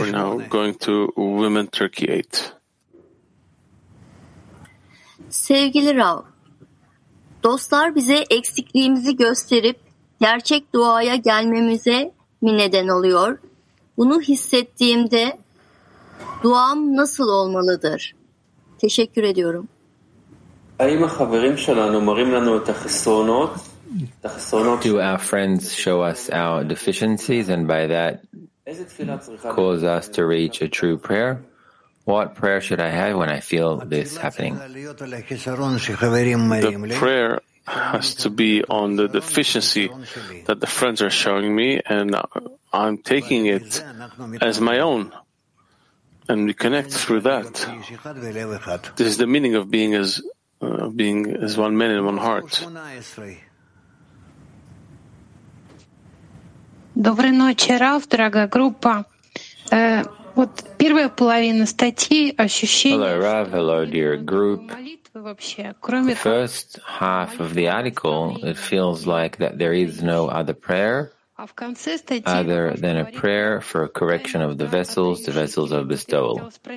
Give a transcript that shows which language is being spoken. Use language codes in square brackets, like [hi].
[en] We're now going to Women Turkey 8. [tr] Sevgili Rav, dostlar bize eksikliğimizi gösterip gerçek duaya gelmemize mi neden oluyor? Bunu hissettiğimde duam nasıl olmalıdır? Teşekkür ediyorum. Ayım haberim şalanı umarım lanı tahsonot. [en] Do our friends show us our deficiencies and by that cause us to reach a true prayer? What prayer should I have when I feel this happening? The prayer has to be on the deficiency that the friends are showing me, and I'm taking it as my own, and we connect through that. This is the meaning of being as one man and one heart. [ru] Доброй ночи, Рав, дорогая группа. Вот первая половина статьи ощущения. [en] Hello, Rav. Hello, dear group. [ru] Вообще, кроме [en] the first half of the article, it feels like that there is no other prayer other than a prayer for a correction of the vessels of bestowal.